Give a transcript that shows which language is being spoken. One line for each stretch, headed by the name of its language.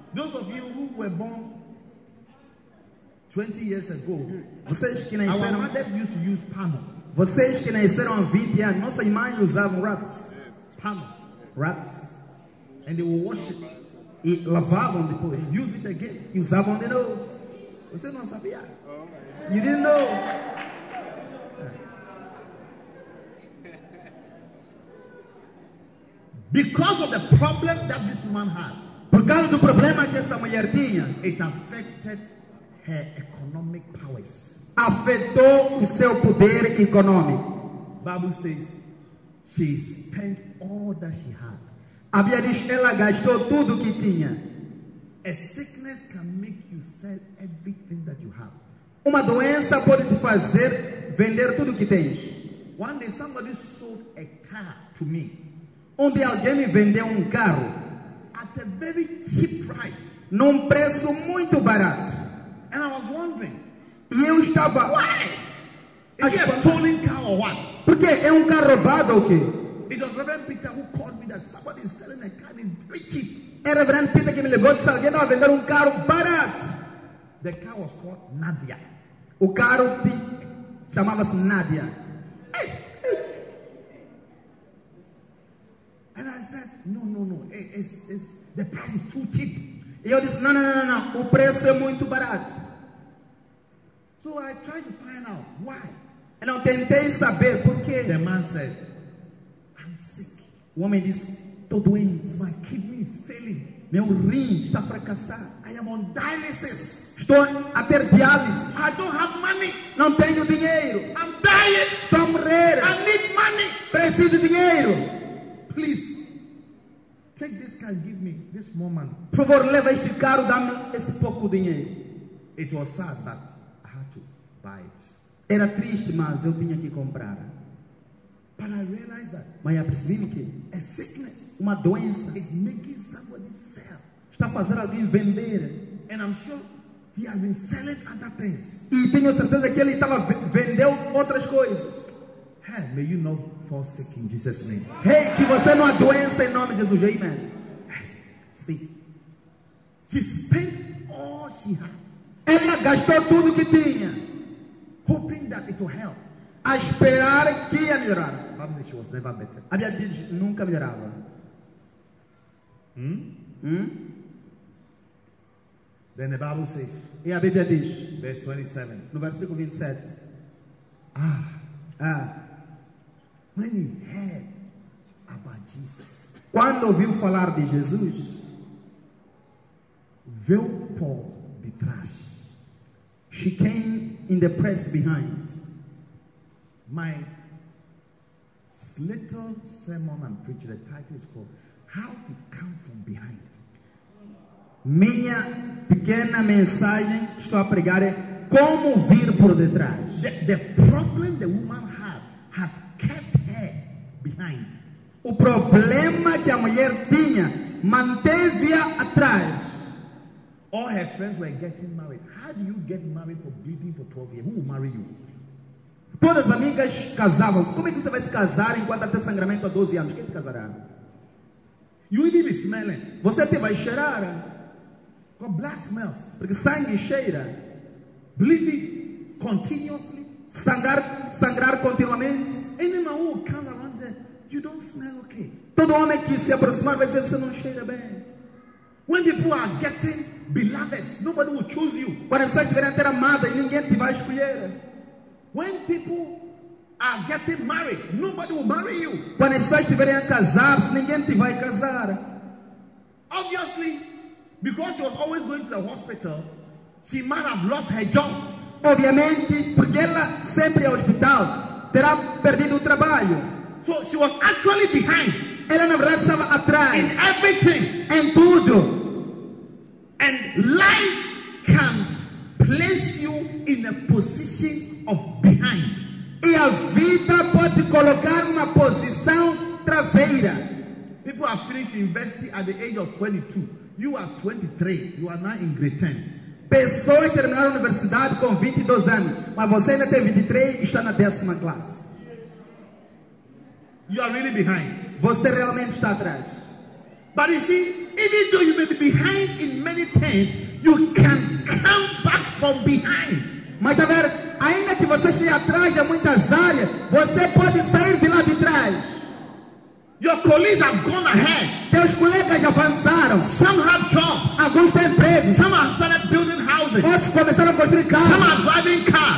English: Those of you who were born 20 years ago,
Portuguese: vocês que nasceram,
English: our mothers used to use palm.
Portuguese: Vocês que nasceram 20 anos, nossa mãe usava wraps.
English: Palm. Wraps. And they will wash it.
Portuguese: E lavavam depois.
English: Use it again.
Portuguese: E usavam de novo. Você não sabia?
English: You didn't know. Because of the problem that this woman had,
Portuguese: por causa do problema que essa mulher tinha,
English: it affected her economic powers.
Portuguese: Afetou o seu poder econômico.
English: Bible says she spent all that she had.
Portuguese: A Bíblia diz ela gastou tudo que tinha.
English: A sickness can make you sell everything that you have.
Portuguese: Uma doença pode te fazer vender tudo que tens.
English: One day somebody sold a car to me.
Portuguese: Onde alguém me vendeu carro
English: at a very cheap price,
Portuguese: num preço muito barato.
English: And I was wondering,
Portuguese: e eu estava,
English: why? Is it a stolen car or what?
Portuguese: Porque é carro roubado ou quê?
English: It was Reverend Peter who called me that somebody is selling a car in very cheap.
Portuguese: É Reverend Peter que me ligou que alguém estava vendendo carro barato.
English: The car was called Nadia.
Portuguese: O carro chamava-se Nadia.
English: And I said, no, it's the price is too cheap.
Portuguese: E eu disse, no, o preço é muito barato.
English: So I tried to find out why.
Portuguese: E eu tentei saber por quê.
English: The man said, I'm sick.
Portuguese: O homem disse, estou doente.
English: My kidney is failing.
Portuguese: Meu rim está fracassado.
English: I am on dialysis.
Portuguese: Estou a ter diálise.
English: I don't have money.
Portuguese: Não tenho dinheiro.
English: I'm dying.
Portuguese: Estou a morrer.
English: I need money.
Portuguese: Preciso de dinheiro.
English: Please, take this car and give me this more money.
Portuguese: Por favor, leva este carro, dá-me esse pouco dinheiro.
English: It was sad, but I had to buy it.
Portuguese: Era triste, mas eu tinha que comprar.
English: But I realized that.
Portuguese: Mas eu percebi-me que
English: a sickness,
Portuguese: uma doença,
English: is making somebody sell.
Portuguese: Está fazendo alguém vender.
English: And I'm sure he has been selling other things.
Portuguese: E tenho certeza que ele estava vendeu outras coisas.
English: Hey, may you not fall sick in Jesus' name.
Portuguese: Hey, que você não adoeça em nome de Jesus.
English: Amen. Yes.
Portuguese: Sim.
English: She spent all she had.
Portuguese: Ela gastou tudo que tinha.
English: Hoping that it will help.
Portuguese: A esperar que ia melhorar. Vamos dizer,
English: she was never better.
Portuguese: A Bíblia nunca melhorava.
English: Then the Bible says.
Portuguese: E a Bíblia diz.
English: Verse 27.
Portuguese: No versículo 27.
English: Ah. When he heard about Jesus,
Portuguese: quando ouviu falar de Jesus, veio por detrás.
English: She came in the press behind. My little sermon I'm preaching, the title is called How to Come from Behind.
Portuguese: Minha pequena mensagem estou a pregar é como vir por detrás.
English: The problem the woman had kept behind.
Portuguese: O problema que a mulher tinha manteve-a atrás.
English: All her friends were getting married. How do you get married for bleeding for 12 years? Who will marry you?
Portuguese: Todas as amigas casavam. Como é que você vai se casar enquanto até sangramento há 12 anos? Quem te casará?
English: You will be smelling.
Portuguese: Você te vai cheirar.
English: Because blood smells.
Portuguese: Porque sangue cheira.
English: Bleeding continuously.
Portuguese: Sangrar continuamente.
English: Any man will come around. You don't smell okay.
Portuguese: Todo homem que se aproximar vai dizer, você não cheira bem.
English: When people are getting beloveds, nobody will choose you.
Portuguese: Quando as pessoas estiverem a ter amada, ninguém te vai escolher.
English: When people are getting married, nobody will marry you.
Portuguese: Quando as pessoas estiverem a casar, ninguém te vai casar.
English: Obviously, because she was always going to the hospital, she might have lost her job.
Portuguese: Obviamente, porque ela sempre ia ao hospital, terá perdido o trabalho.
English: So she was actually behind.
Portuguese: Ela na verdade estava atrás.
English: In everything.
Portuguese: Em tudo.
English: And life can place you in a position of behind.
Portuguese: E a vida pode colocar numa posição traseira.
English: People have finished university at the age of 22. You are 23. You are now in grade 10.
Portuguese: Pessoas terminaram a universidade com 22 anos. Mas você ainda tem 23 e está na décima classe.
English: You are really behind.
Portuguese: Você realmente está atrás.
English: But you see, even though you may be behind in many things, you can come back from behind.
Portuguese: Mas tá vendo? Ainda que você esteja atrás de muitas áreas, você pode sair de lá de trás.
English: Your colleagues have gone ahead.
Portuguese: Teus colegas avançaram.
English: Some have jobs.
Portuguese: Alguns têm empregos.
English: Some have started building houses.
Portuguese: Outros começaram a construir carros.
English: Some are driving cars.